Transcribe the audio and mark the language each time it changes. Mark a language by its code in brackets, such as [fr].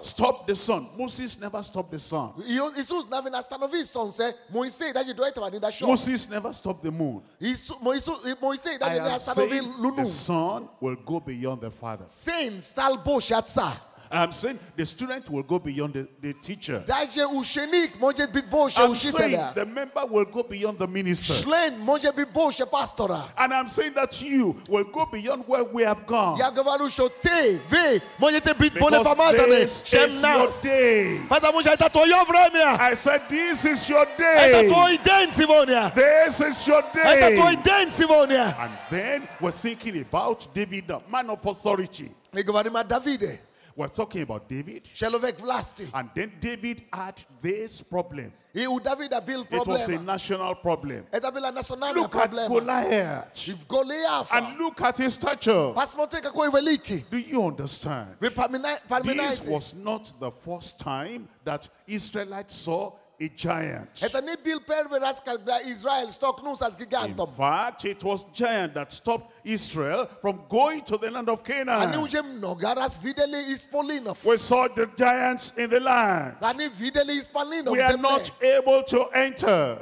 [en] stopped the sun. Moses never stopped the sun. Moses never stopped the moon. I am saying the sun will go beyond the Father. Saints, stal bo shatsa. I'm saying the student will go beyond the teacher. [ru] Даже ученик может быть больше учителя. The member will go beyond the minister. Член может быть больше пастора. [en] And I'm saying that you will go beyond where we have gone. [ru] Я говорю, что ты, вы можете быть более помазаны, чем нас. Потому что это твое время. [en] I said, this is your day. [ru] Это твой день сегодня. [en] This is your day. [ru] Это твой день сегодня. [en] And then we're thinking about David, the man of authority. [ru] Мы говорим о Давиде. [en] We're talking about David. [ru] Человек власти. [en] And then David had this problem. David had built problem. It was a national problem. [ru] Это было национальное [en] look [ru] проблема. [en] At Goliath. If Goliath. And look at his stature. [ru] Посмотри, какой великий. [en] Do you understand? This was not the first time that Israelites saw a giant. [ru] Это не был первый раз, когда Израиль столкнулся с гигантом. [en] In fact, it was giant that stopped Israel from going to the land of Canaan. We saw the giants in the land. We are not able to enter.